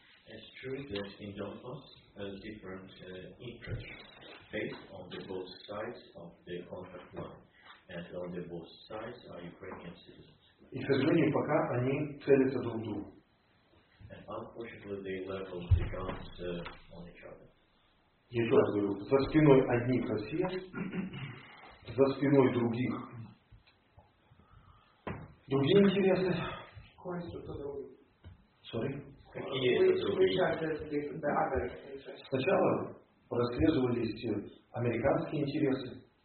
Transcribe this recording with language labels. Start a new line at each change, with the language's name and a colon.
English: It's true that in Donbass different interests based on the both sides of the conflict line, and on the both sides are Ukrainian citizens.
Russian: И, к сожалению, пока они целятся друг в друга.
English: Unfortunately, they level the guns on each other.
Russian: Еще раз говорю, за спиной одних Россия, за спиной других другие интересы. Какие это другие?
English: Sorry?
Russian: Какие это другие? Сначала прослеживались американские интересы.